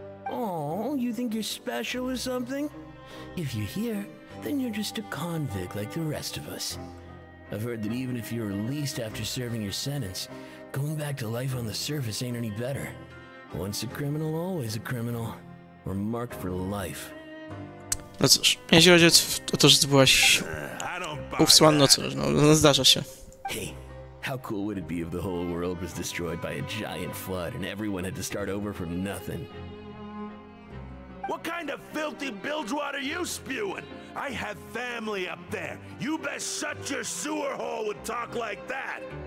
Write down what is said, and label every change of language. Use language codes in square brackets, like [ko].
[en] Oh, you think you're special or something? If you're here, then you're just a convict like the rest of us. I've heard that even if you're released after serving your sentence, going back to life on the surface ain't any better. Once a criminal, always a criminal. We're marked for life. [pl] No cóż, jeśli chodzi o to, że ty byłaś usłany, no cóż, no, no zdarza się. [en] Hey, how cool would it be if the whole world was destroyed by a giant flood and everyone had to start over from nothing? What kind of filthy bilge water are you spewing? I have family up there. You best shut your sewer hole with talk like that.